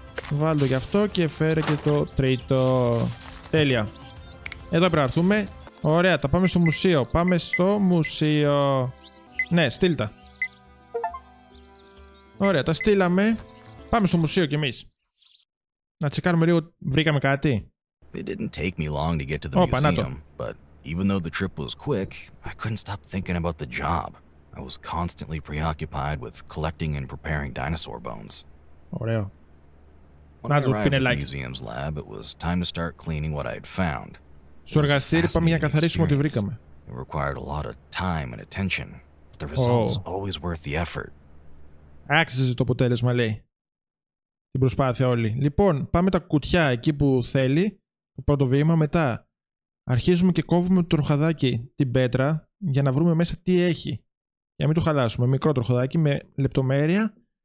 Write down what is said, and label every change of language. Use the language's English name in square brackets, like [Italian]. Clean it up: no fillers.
[Greek] Βάλε το γι' αυτό και φέρε και το τρίτο. Τέλεια. Εδώ πρέπει να έρθουμε. Ωραία, τα πάμε στο μουσείο. Πάμε στο μουσείο. Ναι, στείλ' τα. Ωραία, τα στείλαμε. Πάμε στο μουσείο κι εμείς. Να τσεκάρουμε λίγο, βρήκαμε κάτι. [English] It didn't take me long to get to the museum, but even though the trip was quick, I couldn't stop thinking about the job. I was constantly preoccupied with collecting and preparing dinosaur bones. [Greek] Ωραία. [English] When I arrived at the museum's lab, it was time to start cleaning what I had found. [Greek] Στο εργαστήρι πάμε για να καθαρίσουμε ό,τι βρήκαμε. [English] It required a lot of time and attention, but the result was always worth the effort. [Greek] Άξιζε το αποτέλεσμα, λέει. Την προσπάθεια όλη. Λοιπόν, πάμε τα κουτιά εκεί που θέλει. Το πρώτο βήμα. Μετά αρχίζουμε και κόβουμε το τροχαδάκι την πέτρα για να βρούμε μέσα τι έχει. Για να μην το χαλάσουμε. Μικρό τροχαδάκι με λεπτομέρεια.